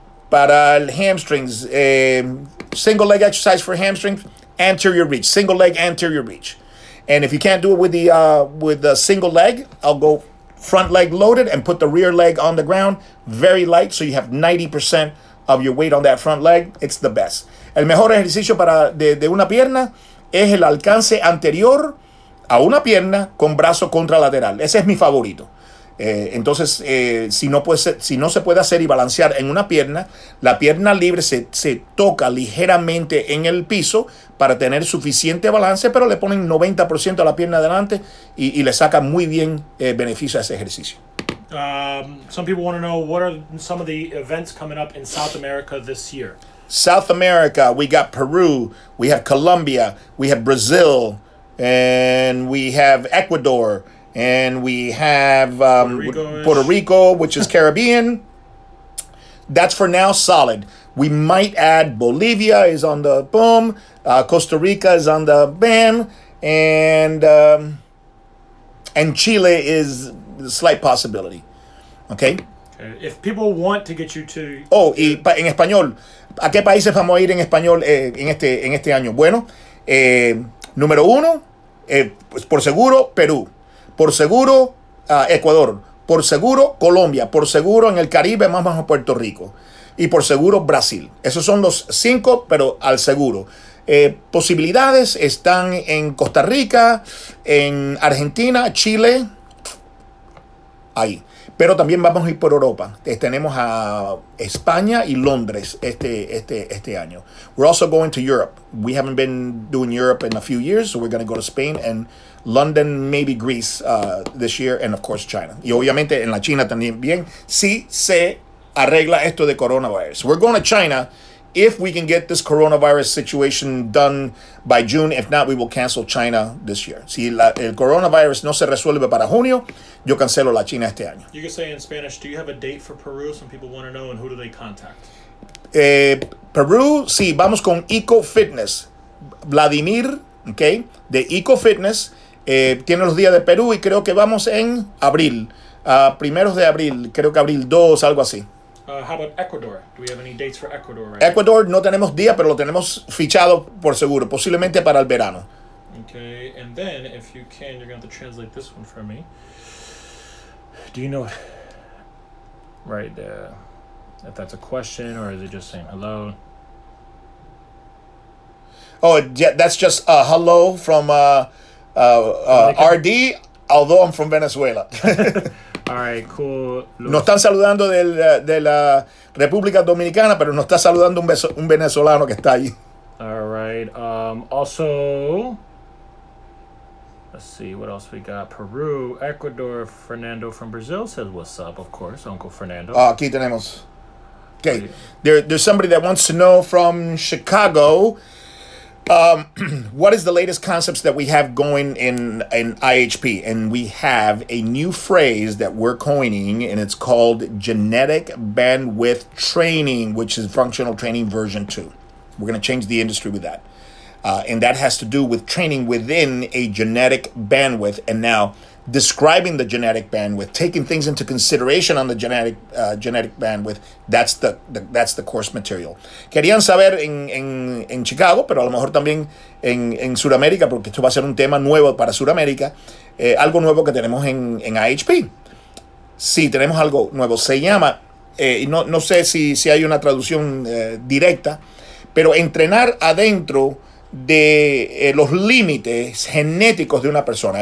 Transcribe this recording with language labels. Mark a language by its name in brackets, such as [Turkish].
[Spanish] Para el [English] hamstrings, single leg exercise for hamstrings, anterior reach. Single leg anterior reach. And if you can't do it with the single leg, I'll go front leg loaded and put the rear leg on the ground, very light, so you have 90% of your weight on that front leg. It's the best. [Spanish] El mejor ejercicio para de una pierna es el alcance anterior a una pierna con brazo contralateral. Ese es mi favorito. Si no se puede hacer y balancear en una pierna, la pierna libre se toca ligeramente en el piso para tener suficiente balance, pero le ponen 90% a la pierna adelante y le saca muy bien beneficio a ese ejercicio. [English] Some people want to know, what are some of the events coming up in South America this year? South America, we got Peru, we have Colombia, we have Brazil, and we have Ecuador, and we have Puerto Rico, which is Caribbean. That's for now solid. We might add Bolivia is on the boom, Costa Rica is on the bam, and Chile is a slight possibility. Okay? Okay. If people want to get you to... [Spanish] Oh, y en español. ¿A qué países vamos a ir en español en este año? Bueno, número uno, pues por seguro, Perú. Por seguro, Ecuador. Por seguro, Colombia. Por seguro, en el Caribe, más bajo Puerto Rico. Y por seguro, Brasil. Esos son los cinco, pero al seguro. Posibilidades están en Costa Rica, en Argentina, Chile. Ahí. Pero también vamos a ir por Europa. Tenemos a España y Londres este año. [English] We're also going to Europe. We haven't been doing Europe in a few years, so we're going to go to Spain and London, maybe Greece this year, and of course China. [Spanish] Y obviamente en la China también bien. Si se arregla esto de coronavirus. [English] We're going to China if we can get this coronavirus situation done by June. If not, we will cancel China this year. [Spanish] Si el coronavirus no se resuelve para junio, yo cancelo la China este año. [English] You can say in Spanish, do you have a date for Peru? Some people want to know, and who do they contact? [Spanish] Peru, sí, vamos con Eco Fitness. Vladimir, okay, de Eco Fitness, tiene los días de Perú y creo que vamos en abril. Primeros de abril, creo que abril 2, algo así. [English] How about Ecuador? Do we have any dates for Ecuador? Right? [Spanish] Ecuador, no tenemos día, pero lo tenemos fichado por seguro, posiblemente para el verano. [English] Okay, and then if you can, you're going to have to translate this one for me. Do you know, right there, if that's a question or is it just saying hello? Oh, yeah, that's just a hello from RD, although I'm from Venezuela. All right, cool. [Spanish] Nos están saludando de la República Dominicana, pero nos está saludando un venezolano que está ahí. [English] All right. Also, let's see what else we got. Peru, Ecuador, Fernando from Brazil says what's up, of course, Uncle Fernando. [Spanish] Ah, aquí tenemos. Okay. [English] There's somebody that wants to know from Chicago. What is the latest concepts that we have going in IHP? And we have a new phrase that we're coining, and it's called genetic bandwidth training, which is functional training version 2. We're going to change the industry with that. And that has to do with training within a genetic bandwidth. And now describing the genetic bandwidth, taking things into consideration on the genetic bandwidth, that's the course material. [Spanish] Querían saber en Chicago, pero a lo mejor también en Sudamérica, porque esto va a ser un tema nuevo para Sudamérica, algo nuevo que tenemos en IHP. Sí, tenemos algo nuevo. Se llama, no sé si hay una traducción directa, pero entrenar adentro de los límites genéticos de una persona.